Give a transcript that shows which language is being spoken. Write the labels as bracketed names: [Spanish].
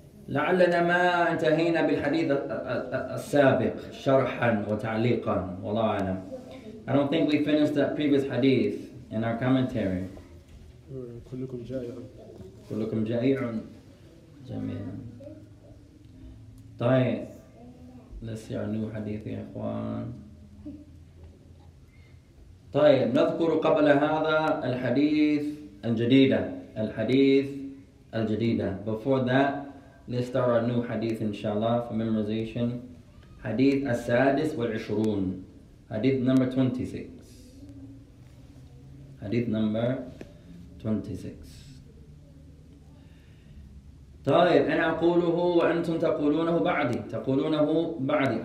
[Arabic] لَعَلَّنَا مَا أَنْتَهَيْنَا بِالْحَدِيثِ السَّابِقِ شَرْحًا وَتَعْلِيقًا وَاللَّهُ أَعْلَمُ. [English] I don't think we finished that previous hadith in our commentary. [Arabic] كُلُّكُمْ جَائِعٌ. كُلُّكُمْ جَائِعٌ. جَمِيعًا. طيب. [English] Let's see our new hadith, [Arabic] يا إخوان. طيب. نذكر قبل هذا الحديث الجديدة. الحديث الجديدة. [English] Before that, let's start our new hadith, inshallah, for memorization. [Arabic] Hadith السادس والعشرون. [English] Hadith number 26. Hadith number 26. [Arabic] طيب أنا أقوله وأنتم تقولونه بعدي تقولونه بعدي.